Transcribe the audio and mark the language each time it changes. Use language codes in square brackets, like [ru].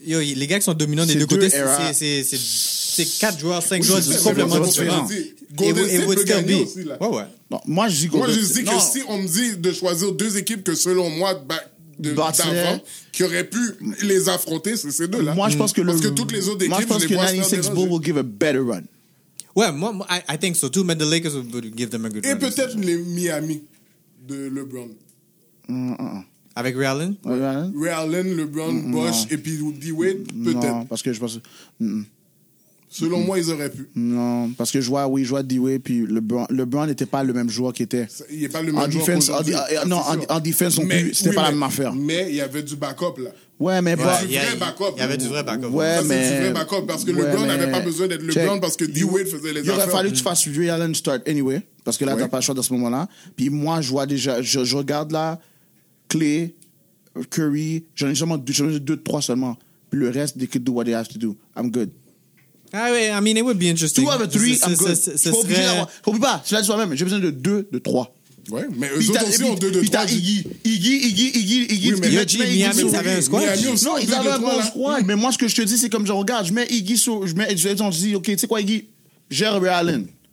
[fr] Yo, les gars qui sont dominants des deux côtés, c'est quatre joueurs, cinq joueurs, c'est complètement différent. Golden State peut gagner aussi, là. Ouais, ouais. Moi, je dis que si on me dit de choisir deux équipes que, selon moi, d'avant, qui aurait pu les affronter, c'est ces deux-là. Moi, je pense que parce que toutes les autres équipes, je pense que [en] 96 Bulls will give a better run. [fr] Ouais, [en] I think so too, but the Lakers would give them a good run. [fr] Et peut-être les Miami de LeBron. Avec Ray Allen? Ray Allen, LeBron, Bosch, et puis D-Wade, peut-être. Non, parce que je pense... Selon moi, ils auraient pu. Non, parce que je vois D-Wade, puis LeBron n'était pas le même joueur qu'il était. Il n'est pas le même joueur [en] defense, [fr] en défense, c'était pas la même affaire. Mais il y avait du backup, là. Ouais, mais pas... Il y avait du vrai backup. LeBron n'avait pas besoin d'être LeBron parce que D-Wade faisait les affaires. Il aurait fallu que tu fasses Ray Allen [en] start anyway, [fr] parce que là, t'as pas le choix dans ce moment-là. Puis moi, je vois déjà... Je regarde là, Clay, Curry, j'en ai seulement deux, trois seulement. Puis le reste, [en] they could do what they have to do. I'm good. [fr] Ah oui, [en] I mean, it would be interesting. Two out of three, I'm good. [fr] Faut pas, je l'ai dit soi-même, j'ai besoin de deux, de trois. Ouais, mais eux autres aussi ont deux, de trois. Puis t'as Iggy. Oui, mais Miami, ils avaient un squad. Non, ils avaient un bon squad. Mais moi, ce que je te dis, c'est comme je regarde, je mets Iggy, OK, tu sais quoi, Iggy, gère Ray Allen.